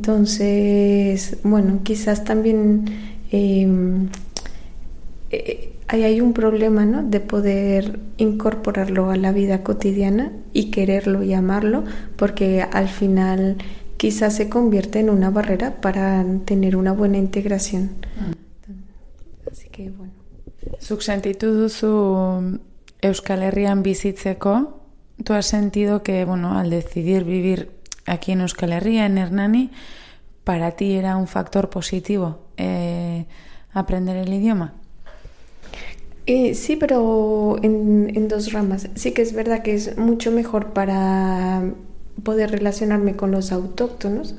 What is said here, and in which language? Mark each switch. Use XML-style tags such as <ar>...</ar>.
<es>Entonces, bueno, quizás también ahí hay un problema, ¿no? De poder incorporarlo a la vida cotidiana y quererlo y amarlo, porque al final quizás se convierte en una barrera para tener una buena integración. Así que, bueno.</es> <eu>¿Zuk sentitu duzu Euskal Herrian bizitzeko?</eu> <es>¿Tú has sentido que, bueno, al decidir vivir aquí en Euskal Herria, en Hernani, para ti era un factor positivo aprender el idioma? Sí, pero en dos ramas. Sí que es verdad que es mucho mejor para poder relacionarme con los autóctonos.</es>